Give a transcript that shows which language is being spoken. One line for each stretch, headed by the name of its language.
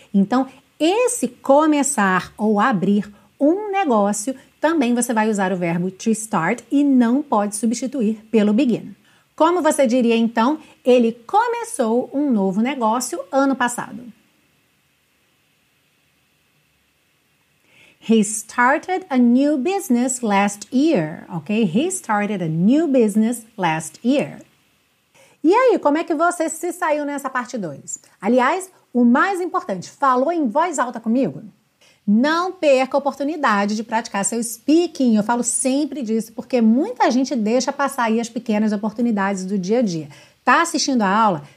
Portuguese: Então, esse começar ou abrir um negócio, também você vai usar o verbo to start e não pode substituir pelo begin. Como você diria, então, ele começou um novo negócio ano passado?
English: He started a new business last year, ok? He started a new business last year.
Portuguese: E aí, como é que você se saiu nessa parte 2? Aliás, O mais importante, falou em voz alta comigo? Não perca a oportunidade de praticar seu speaking. Eu falo sempre disso, porque muita gente deixa passar aí as pequenas oportunidades do dia a dia. Tá assistindo a aula?